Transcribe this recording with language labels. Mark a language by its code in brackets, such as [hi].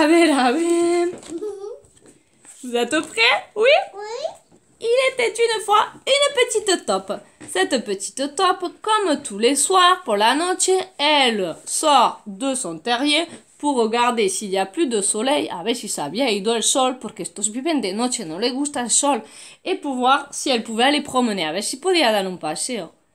[es] A ver, a ver. [fr] Vous êtes prêts? Oui? Oui. Il était une fois une petite taupe. Cette petite taupe, comme tous les soirs pour la noche, elle sort de son terrier pour regarder s'il y a plus de soleil. [es] A ver si se había ido el sol, porque estos viven de noche, no les gusta el sol. [fr] Et pour voir si elle pouvait aller promener, [es] a ver si podía dar un paseo.